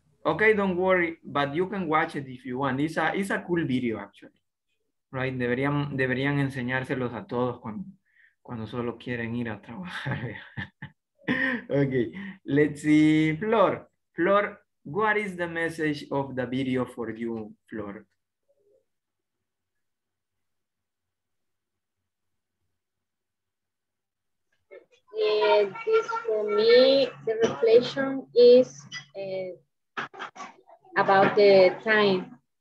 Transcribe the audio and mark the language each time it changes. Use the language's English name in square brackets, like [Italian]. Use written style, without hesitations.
[English] Okay, don't worry, but you can watch it if you want. It's a cool video, actually. [Spanish] Right, deberían enseñárselos a todos cuando solo quieren ir a trabajar. [English] Okay, let's see, Flor. Flor, what is the message of the video for you, Flor? This for me, the reflection is about the time.